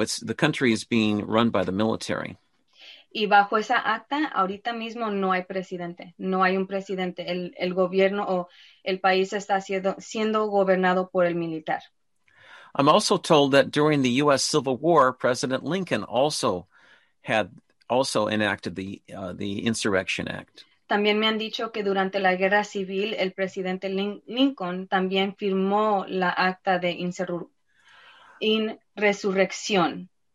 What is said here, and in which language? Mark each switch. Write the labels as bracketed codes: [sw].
[en] It's the country is being run by the military. [es] Y bajo esa acta, ahorita mismo no hay presidente. No hay un presidente. El gobierno o el país está siendo gobernado por el militar. [en] I'm also told that during the U.S. Civil War, President Lincoln also enacted the Insurrection Act. [es] También me han dicho que durante la Guerra Civil, el presidente Lincoln también firmó la acta de insurrección.